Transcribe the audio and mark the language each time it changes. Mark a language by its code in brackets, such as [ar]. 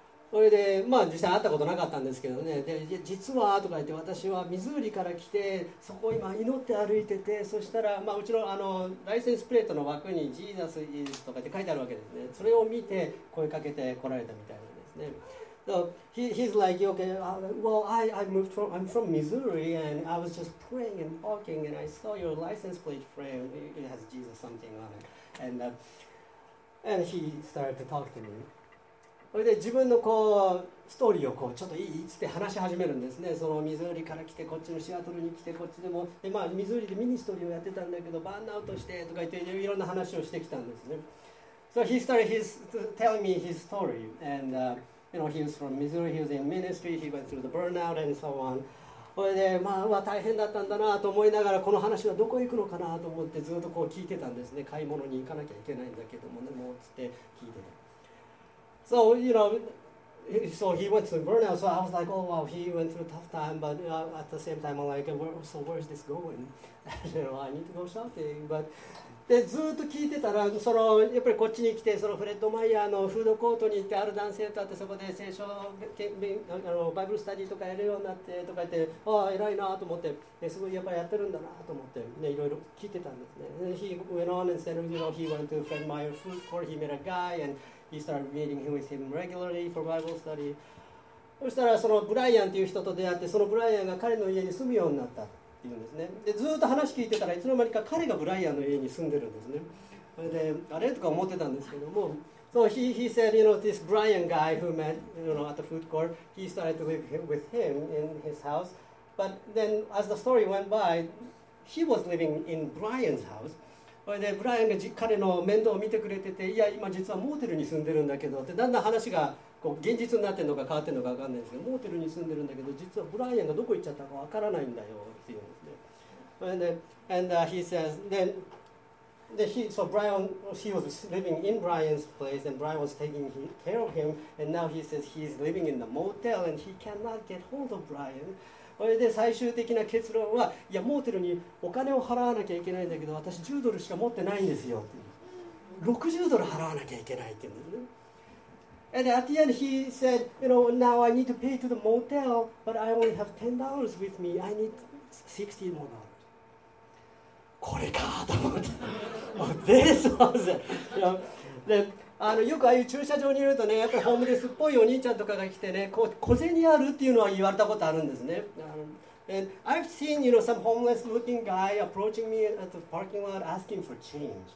[ja] それでまあ実際会ったことなかったんですけどね。で実はとか言って、私はミズーリから来て、そこを今祈って歩いてて、そしたら、まあ、うちの、ライセンスプレートの枠にジーザスイズとかって書いてあるわけですね。それを見て声かけて来られたみたいなんですね。 [en] So, he's like, okay, well, I'm from Missouri and I was just praying and walking and I saw your license plate frame. It has Jesus something on it. And he started to talk to me. [ja] それで自分のこうストーリーをこうちょっといいっつって話し始めるんですね。そのミズーリから来て、こっちのシアトルに来て、こっちでもで、まあ、ミズーリでミニストーリーをやってたんだけど、バーンアウトしてとか言っていろんな話をしてきたんですね。 [en] So he started telling me his story. And, you know, he was from Missouri, he was in ministry, he went through the burnout and so on. [ja] それで、まあ、まあ大変だったんだなと思いながら、この話はどこ行くのかなと思ってずっとこう聞いてたんですね。買い物に行かなきゃいけないんだけどもね、もうつって聞いてた。 [en] So, you know, so he went through burnout, so I was like, oh, wow, he went through a tough time, but you know, at the same time, I'm like, so where is this going? You know, I need to go shopping, but... [ja] で、ずっと聞いてたら、その、やっぱりこっちに来て、そのフレッド・マイヤーのフードコートに行って、ある男性と会って、そこで聖書、バイブルスタディとかやるようになって、とか言って、ああ、偉いなと思って、すごいやっぱりやってるんだなと思って、ね、いろいろ聞いてたんですね。 [en] He went on and said, you know, he went to Fred Meyer food court, he met a guy, andHe started meeting him with him regularly for Bible study. [ja] そしたらそのブライアンという人と出会って、そのブライアンが彼の家に住むようになったっていうんですね。でずっと話聞いてたら、いつの間にか彼がブライアンの家に住んでるんですね。それであれとか思ってたんですけども、 [en] So he said, you know, this Brian guy who met, you know, at the food court, he started to live with him in his house. But then as the story went by, he was living in Brian's house. [ja] それでブライアンが彼の面倒を見てくれてて、いや今実はモーテルに住んでるんだけどって、だんだん話がこう現実になってるのか変わってるのか分かんないんですけど、モーテルに住んでるんだけど、実はブライアンがどこ行っちゃったか分からないんだよっていうんですね。 [en] それで、and he says, then, then he, so Brian, he was living in Brian's place and Brian was taking care of him and now he says he's living in the motel and he cannot get hold of Brian. [ja] それで最終的な結論は、いやモーテルにお金を払わなきゃいけないんだけど、私10ドルしか持ってないんですよって、60ドル払わなきゃいけないって言うんですね。 [en] And at the end he said, you know, now I need to pay to the motel, but I only have $10 with me, I need 60 more dollars. [ja] これかと思って、 [en] This was it. You know, then [ja] あのよくああいう駐車場にいるとね、やっぱりホームレスっぽいお兄ちゃんとかが来てね、こう小銭あるっていうのは言われたことあるんですね。 [en] And I've seen, you know, some homeless looking guy approaching me at the parking lot asking for change.